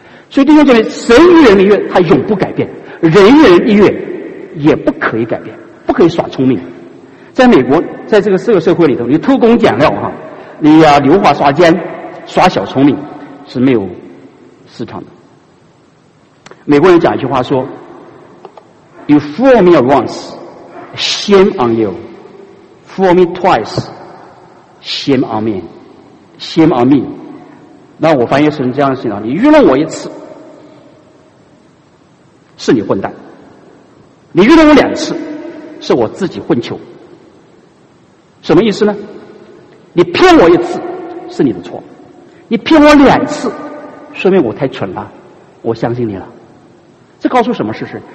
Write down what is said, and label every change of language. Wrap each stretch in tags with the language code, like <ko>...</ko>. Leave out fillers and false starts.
<zh>所以弟兄姐妹，神与人立约他永不改变，人与人立约也不可以改变，不可以耍聪明。在美国，在这个这个社会里头，你偷工减料哈，你要牛化耍奸耍小聪明是没有市场的。美国人讲一句话说</zh> <en>You fool me once, shame on you. Fool me twice, shame on me. Shame on me.</en> <zh>那我翻译成这样的信仰，你愚弄我一次是你混蛋，你愚弄我两次是我自己混球。什么意思呢？你骗我一次是你的错，你骗我两次说明我太蠢了，我相信你了。这告诉什么事实？</zh>